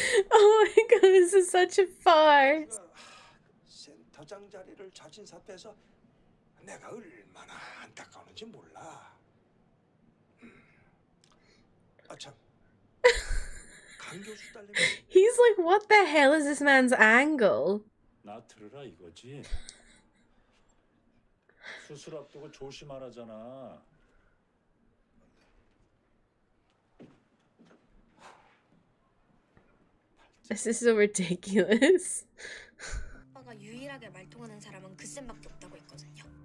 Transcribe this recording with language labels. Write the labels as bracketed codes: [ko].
[en] Oh my god, this is such a farce. [ko] 장 자리를 자진 사퇴해서 내가 얼마나 안타까운지 몰라. 아 참. 강 교수 딸내미. [en] He's like, what the hell is this man's angle? [ko] 나 들으라 이거지. 수술 앞두고 조심하라잖아. 발전... [en] This is so ridiculous. [ko] 유일하게 말 통하는 사람은 그 쌤밖에 없다고 했거든요.